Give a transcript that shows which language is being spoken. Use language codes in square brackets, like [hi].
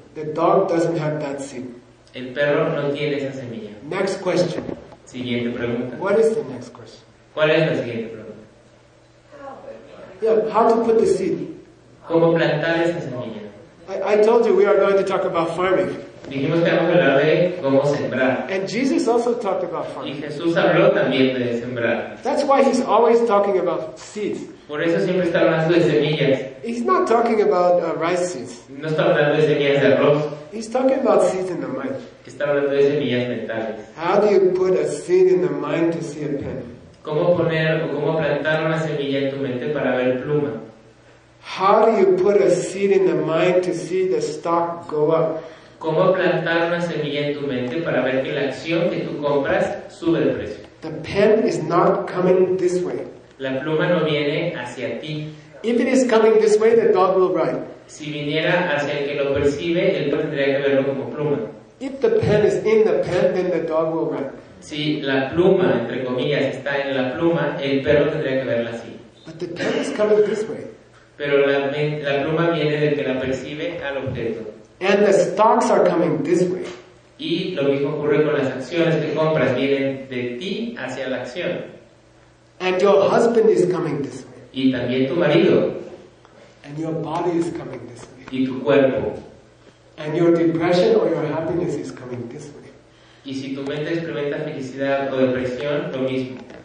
[en] The dog doesn't have that seed. [es] El perro no tiene esa semilla. [en] Next question. [es] Siguiente pregunta. [en] What is the next question? [es] ¿Cuál es la siguiente pregunta? [en] Yeah, how to put the seed? [es] ¿Cómo plantar esa semilla? [en] I told you we are going to talk about farming. [es] Dijimos que vamos a hablar de cómo sembrar. [en] And Jesus also talked about farming. [es] Y Jesús habló también de sembrar. [en] That's why he's always talking about seeds. [es] Por eso siempre está hablando de semillas. [en] He's not talking about rice seeds. [es] No está hablando de semillas de arroz. [en] He's talking about seeds in the mind. [es] Está hablando de semillas mentales. [en] How do you put a seed in the mind to see a pen? [es] ¿Cómo poner o cómo plantar una semilla en tu mente para ver pluma? [en] How do you put a seed in the mind to see the stock go up? [es] ¿Cómo plantar una semilla en tu mente para ver que la acción que tú compras sube de precio? [en] The pen is not coming this way. [es] La pluma no viene hacia ti. [en] If it is coming this way, the dog will run. [es] Si viniera hacia el que lo percibe, el perro tendría que verlo como pluma. [en] If the pen is in the pen, then the dog will run. [es] Si la pluma, entre comillas, está en la pluma, el perro tendría que verla así. [en] But the pen is coming this way. [es] Pero la pluma viene del que la percibe al objeto. [en] And the stocks are coming this way. [es] Y lo mismo ocurre con las acciones que compras, vienen de ti hacia la acción. [en] And your husband is coming this way. [es] Y también tu marido. [en] And your body is coming this way. [es] Y tu cuerpo. [en] And your depression or your happiness is coming this way. [es] Y si tu mente experimenta felicidad o depresión, lo mismo.